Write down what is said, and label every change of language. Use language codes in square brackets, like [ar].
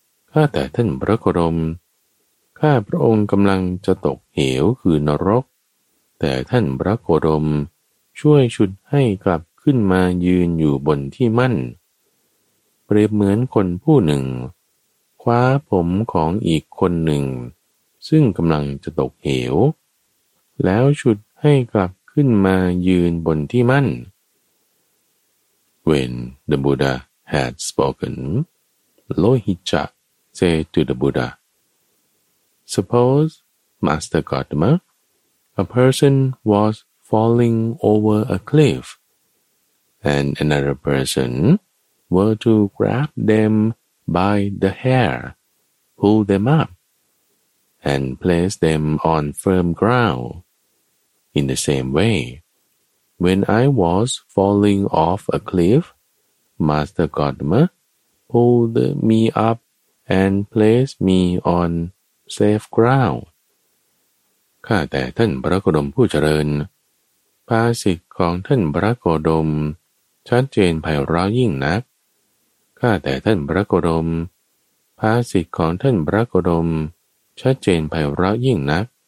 [th] ข้าแต่ท่านพระโคดมข้าพระองค์กำลังจะตกเหวคือนรกแต่ท่านพระโคดมช่วยชุดให้กลับขึ้นมายืนอยู่บนที่มั่นเปรียบเหมือนคนผู้หนึ่งคว้าผมของอีกคนหนึ่งซึ่งกำลังจะตกเหวแล้วฉุดให้กลับขึ้นมายืนบนที่มั่น [en] When the Buddha had spoken, Lohicca said to the Buddha, Suppose, Master Gotama, a person was falling over a cliff, and another personwere to grab them by the hair, pull them up, and place them on firm ground. In the same way, when I was falling off a cliff, Master Gotama pulled me up and placed me on safe ground. [th] ข้าแต่ท่านพระโคดมผู้เจริญภาษิตของท่านพระโคดมชัดเจนไพเราะยิ่งนักข้าแต่ท่านพระโคดมภาษิตของท่านพระโคดมชัดเจนไพเราะยิ่งนัก